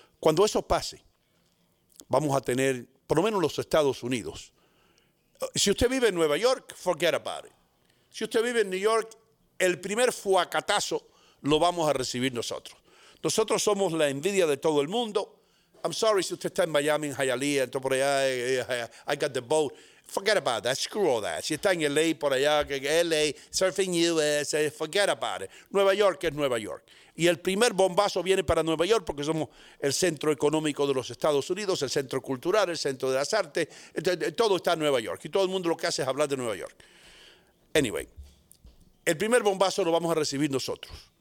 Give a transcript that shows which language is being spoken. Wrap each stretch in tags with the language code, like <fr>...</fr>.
<es>Cuando eso pase, vamos a tener, por lo menos los Estados Unidos, si usted vive en Nueva York,</es> <en>forget about it.</en> <es>Si usted vive en New York, el primer fuacatazo lo vamos a recibir nosotros. Nosotros somos la envidia de todo el mundo.</es> <en>I'm sorry</en> <es>si usted está en Miami, en Hialeah, entonces por allá,</es> <en>I got the boat. Forget about that, screw all that.</en> <es>Si está en LA, por allá, LA,</es> <en>surfing US, forget about it.</en> <es>Nueva York es Nueva York. Y el primer bombazo viene para Nueva York porque somos el centro económico de los Estados Unidos, el centro cultural, el centro de las artes. Entonces, todo está en Nueva York y todo el mundo lo que hace es hablar de Nueva York. Anyway, el primer bombazo lo vamos a recibir nosotros.</es>